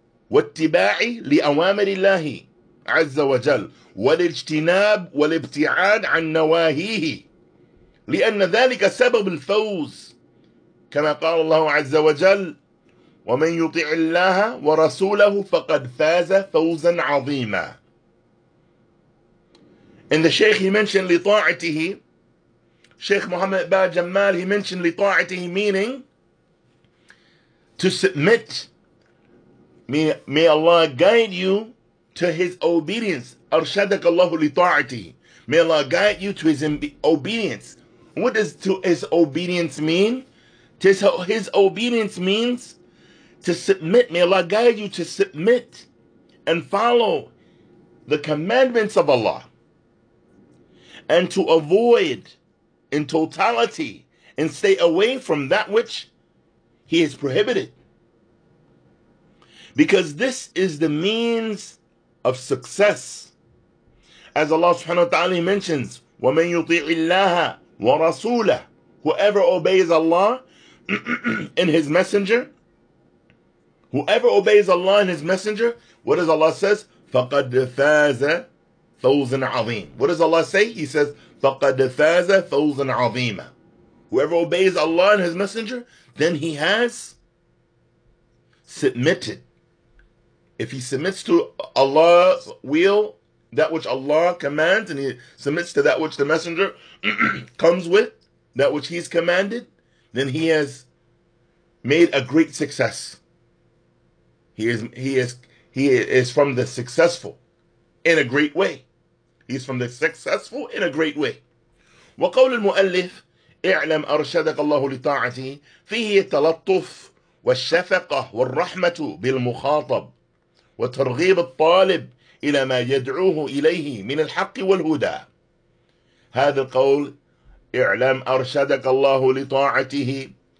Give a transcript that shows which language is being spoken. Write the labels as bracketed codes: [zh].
[ar] واتباع لأوامر الله عز وجل، والاجتناب والابتعاد عن نواهيه، لأن ذلك سبب الفوز، كما قال الله عز وجل ومن يطع الله ورسوله فقد فاز فوزا عظيما. [en] And the Sheikh, he mentioned لطاعته. Sheikh Muhammad Ba Jamal, he mentioned لطاعته, meaning to submit. May Allah guide you to His obedience. [ar] أرشدك الله لطاعته. [en] May Allah guide you to His obedience. What does to His obedience mean? To His obedience means to submit. May Allah guide you to submit and follow the commandments of Allah, and to avoid in totality and stay away from that which He has prohibited. Because this is the means of success. As Allah subhanahu wa ta'ala mentions, [ar] وَمَنْ يُطِعِ اللَّهَ وَرَسُولَهُ, [en] whoever obeys Allah and His Messenger, whoever obeys Allah and His Messenger, what does Allah say? [ar] فَقَدْ فَازَ فَوْزًا عَظِيمًا. [en] What does Allah say? He says, [ar] فَقَدْ فَازَ فَوْزًا عَظِيمًا. [en] Whoever obeys Allah and His Messenger, then he has submitted. If he submits to Allah's will, that which Allah commands, and he submits to that which the Messenger comes with, that which he's commanded, then he has made a great success. He is from the successful in a great way. He's from the successful in a great way. [ar] وقول المؤلف اعلم أرشدك الله لطاعتي فيه التلطف والشفقة والرحمة بالمخاطب وترغيب الطالب إلى ما يدعوه إليه من الحق والهدى. هذا القول اعلم أرشدك الله لطاعته.